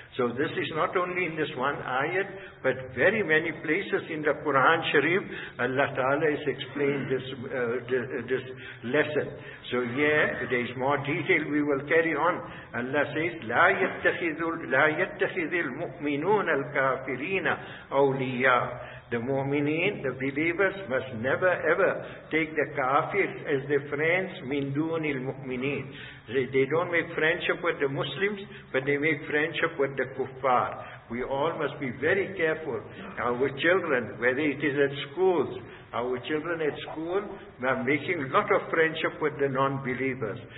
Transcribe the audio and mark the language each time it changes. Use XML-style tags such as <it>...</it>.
<en>So this is not only in this one ayat, but very many places in the Quran Sharif, Allah Ta'ala has explained this lesson. So yeah, there is more detail we will carry on. Allah says,</en> <ar>لا يتخذ المؤمنون الكافرين أولياء.</ar> <en>The mu'mineen, the believers, must never ever take the kafirs as their friends, min dunil mu'mineen. They don't make friendship with the Muslims, but they make friendship with the kuffar. We all must be very careful. Our children, whether it is at schools, our children at school are making a lot of friendship with the non-believers.</en>